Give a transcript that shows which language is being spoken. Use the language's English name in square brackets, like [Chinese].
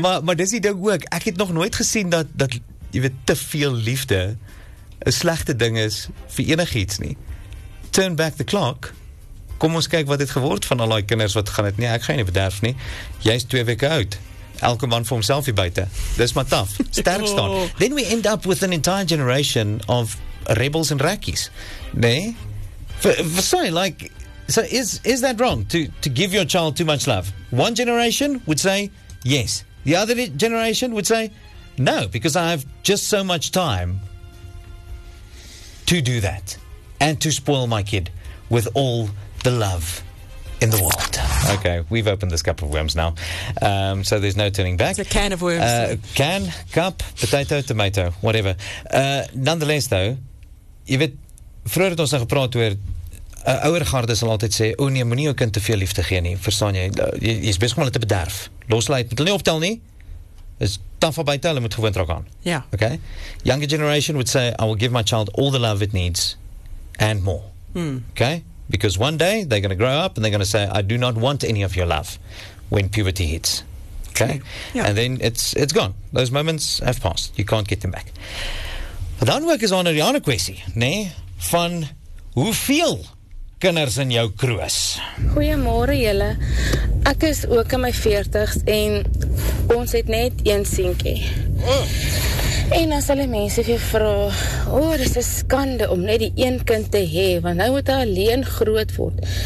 [Afrikaans] Maar dis die ding ook, ek het nog nooit gesien dat jy weet, te veel liefde een slechte ding is vir enig iets nie. [English] Turn back the clock. [Afrikaans] Kom ons kyk wat het geword van al die kinders wat gaan het. Nee, ek ga jy nie bederf nie. Jy is 2 weke oud. Elke man vir homself hier buiten. Dis maar taf. Sterk staan. Oh. [English] Then we end up with an entire generation of rebels and rakies. Nee? Is that wrong? To give your child too much love? One generation would say yes. The other generation would say no, because I have just so much time to do that. And to spoil my kid with all the love in the world. Okay, we've opened this cup of worms now. So there's no turning back. It's a can of worms. Can, cup, potato, tomato, whatever. Nonetheless though, [Afrikaans] jy weet, vroeger het ons nou gepraat oor, ouwe garde sal altyd sê, oh nee, moet nie jou kind te veel liefde gee nie, verstaan jy? Jy is best gewoon te bederf. Losleid, moet hulle nie optel nie. Is taf al buiten, hulle moet gewoon trok aan. Ja. Okay? [English] Younger generation would say, I will give my child all the love it needs and more. Okay? Because one day, they're going to grow up and they're going to say, I do not want any of your love when puberty hits. Okay? Yeah. And then it's gone. Those moments have passed. You can't get them back. [Afrikaans] But dan ook is aan die ander kwestie, nee, van hoeveel kinders in jou kroos. Goeiemôre julle. Ek is ook in my 40s en ons het net een seentjie. En as hulle mense vir jou vra, dis 'n skande om net die een kind te hê, want nou moet hy alleen groot word.